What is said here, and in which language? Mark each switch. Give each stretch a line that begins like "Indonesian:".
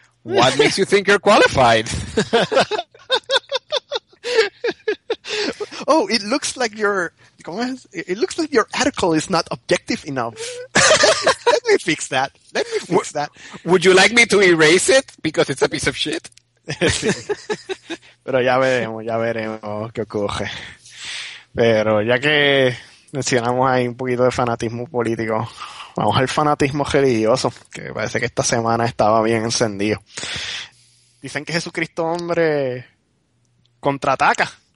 English: What makes you think you're qualified? Oh, it looks like your,
Spanish: ¿cómo es?
English: It looks like your article is not objective enough. Let me fix that. Would you like me to erase it because it's a piece of shit?
Spanish: Sí. Pero ya veremos qué ocurre. Pero ya que mencionamos ahí un poquito de fanatismo político, vamos al fanatismo religioso, que parece que esta semana estaba bien encendido. Dicen que Jesucristo, hombre, contraataca.